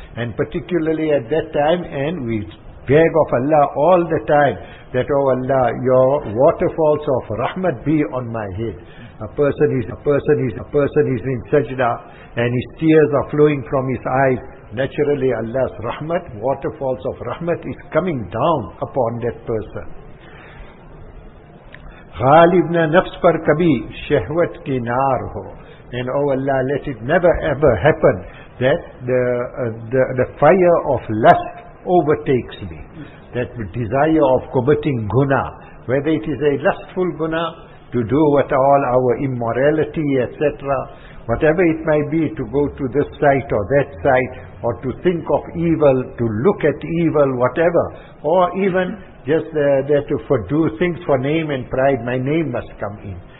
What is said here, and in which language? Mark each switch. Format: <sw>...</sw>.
<en>And particularly at that time, and we beg of Allah all the time, that, oh Allah, your waterfalls of rahmat be on my head. A person is in sajda and his tears are flowing from his eyes. Naturally, Allah's rahmat, waterfalls of rahmat, is coming down upon that person.</en> <ur>غالب نہ نفس پر کبھی شہوت کی نار ہو.</ur> <en>And oh Allah, let it never ever happen that the fire of lust overtakes me. That desire of committing guna, whether it is a lustful guna, to do what all our immorality, etc., whatever it might be, to go to this site or that site, or to think of evil, to look at evil, whatever, or even just there to do things for name and pride, my name must come in.</en>